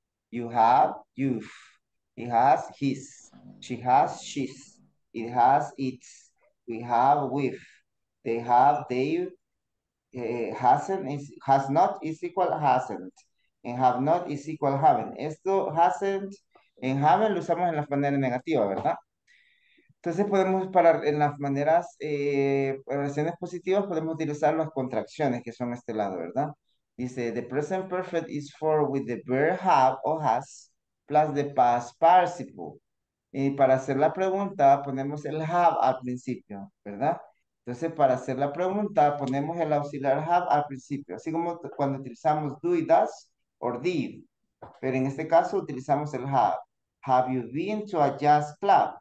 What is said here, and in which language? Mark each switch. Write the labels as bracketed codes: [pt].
[en] You have, you've, he has, his, she has, she's, it has, it's, we have, we've, they have, they, hasn't, is, has not is equal hasn't, and have not is equal haven't. [es] Esto hasn't and haven't lo usamos en las maneras negativas, ¿verdad? Entonces podemos parar en las maneras, oraciones positivas, podemos utilizar las contracciones que son este lado, ¿verdad? Dice, [en] the present perfect is formed with the verb have or has plus the past participle. [es] Y para hacer la pregunta, ponemos el have al principio, ¿verdad? Entonces, para hacer la pregunta, ponemos el auxiliar have al principio. Así como cuando utilizamos do y does or did. Pero en este caso, utilizamos el have. [en] Have you been to a jazz club?